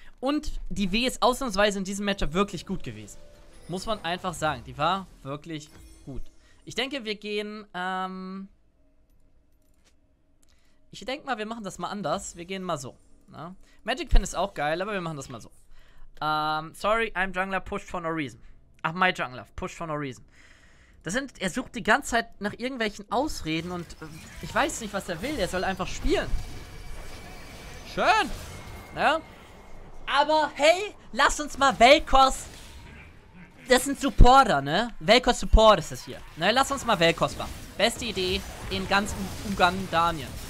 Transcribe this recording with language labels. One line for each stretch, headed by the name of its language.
German: Und die W ist ausnahmsweise in diesem Matchup wirklich gut gewesen. Muss man einfach sagen. Die war wirklich gut. Ich denke, wir gehen, ich denke mal, wir machen das mal anders. Wir gehen mal so. Ne? Magic Pen ist auch geil, aber wir machen das mal so.
English: Sorry, I'm Jungler, pushed for no reason. Ach, my Jungler, pushed for no reason.
German: Das sind, er sucht die ganze Zeit nach irgendwelchen Ausreden und ich weiß nicht, was er will. Er soll einfach spielen. Schön. Ja. Aber hey, lass uns mal Vel'Koz. Das sind Supporter, ne? Vel'Koz Support ist das hier. Ne, lass uns mal Vel'Koz machen. Beste Idee in ganz Ugandanien.